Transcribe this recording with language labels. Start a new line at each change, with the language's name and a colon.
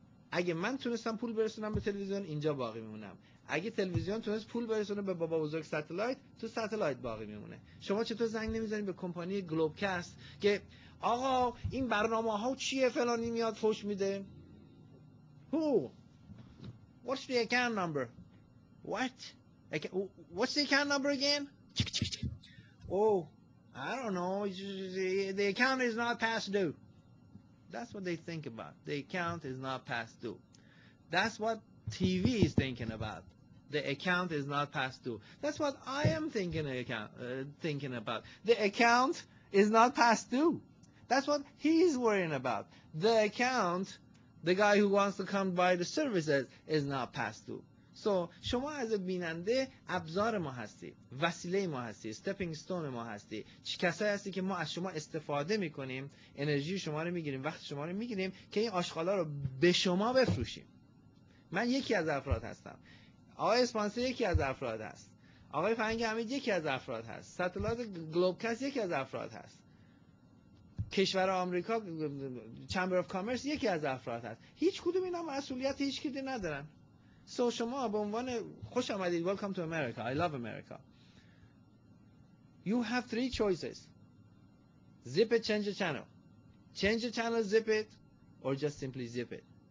Persian: اگه من تونستم پول برسونم به تلویزیون، اینجا باقی میمونم. اگه تلویزیون تونست پول برسونه به بابا بزرگ ساتلایت، تو ساتلایت باقی میمونه. شما چطور زنگ نمیزنید به کمپانی گلوب کاست که آقا این برنامه ها چیه فلانی میاد فوش میده؟
English: Who? What's the account number? What? What's the account number again? Oh, I don't know. The account is not past due. That's what they think about. The account is not past due. That's what TV is thinking about. The account is not past due. That's what I am thinking about. The account is not past due. That's what he's worrying about. The account, the guy who wants to come buy the services, is not past due.
Persian: So, شما از بیننده ابزار ما هستی، وسیله ما هستی، استپینگ استون ما هستی، چه کسایی هستی که ما از شما استفاده میکنیم، انرژی شما رو میگیریم، وقت شما رو میگیریم که این آشغالا رو به شما بفروشیم. من یکی از افراد هستم، آقای اسپانسر یکی از افراد هست، آقای فرهنگ حمید یکی از افراد هست، ساتلایت گلوب کست یکی از افراد هست، کشور آمریکا چمبر آف کامرس یکی از افراد هست. هیچ کدوم اینا مسئولیت هیچ کدی ندارن. سو شما به عنوان خوش آمدید،
English: Welcome to America. I love America. You have three choices. Zip it, change the channel. Change the channel, zip it, or just simply zip it.